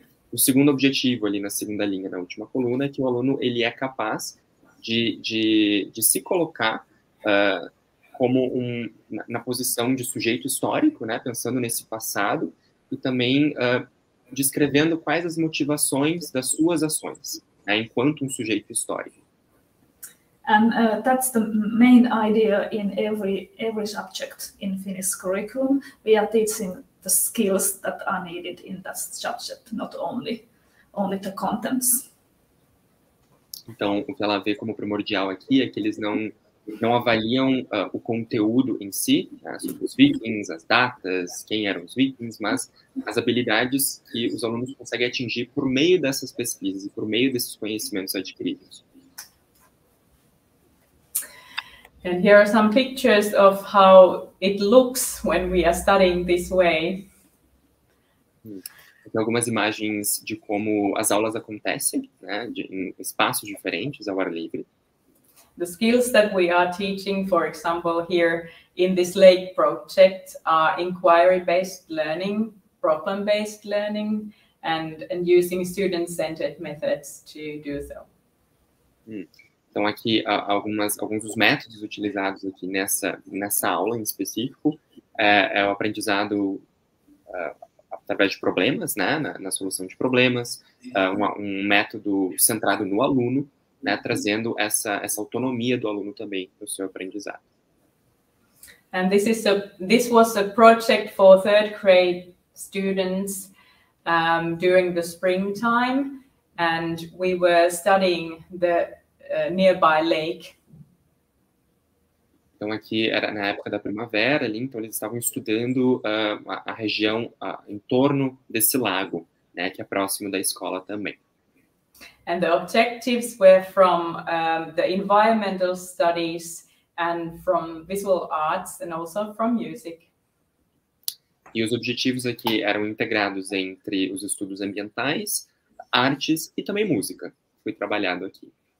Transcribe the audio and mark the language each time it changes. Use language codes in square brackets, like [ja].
[pt] O segundo objetivo, ali na segunda linha, na última coluna, é que o aluno ele é capaz de se colocar como na posição de sujeito histórico, né, pensando nesse passado, e também descrevendo quais as motivações das suas ações, né, enquanto um sujeito histórico. [en] And that's the main idea in every subject in Finnish curriculum. We are teaching the skills that are needed in that subject, not only the contents. [pt] Então, o que ela vê como primordial aqui é que eles não avaliam o conteúdo em si, né, sobre os vikings, as datas, quem eram os vikings, mas as habilidades que os alunos conseguem atingir por meio dessas pesquisas e por meio desses conhecimentos adquiridos. [en] And here are some pictures of how it looks when we are studying this way. [pt] Tem algumas imagens de como as aulas acontecem, né, em espaços diferentes ao ar livre. [en] The skills that we are teaching, for example, here in this lake project, are inquiry-based learning, problem-based learning, and using student-centered methods to do so. [pt] Então, aqui, alguns dos métodos utilizados aqui nessa aula em específico é o aprendizado através de problemas, né, na solução de problemas, um método centrado no aluno, né, trazendo essa autonomia do aluno também no seu aprendizado. [en] And this was a project for third grade students during the springtime, and we were studying the nearby lake. [pt] Então aqui era na época da primavera ali, então eles estavam estudando a região em torno desse lago, né, que é próximo da escola também. [en] And the objectives were from the environmental studies and from visual arts and also from music. [pt] E os objetivos aqui eram integrados entre os estudos ambientais, artes e também música, foi trabalhado aqui.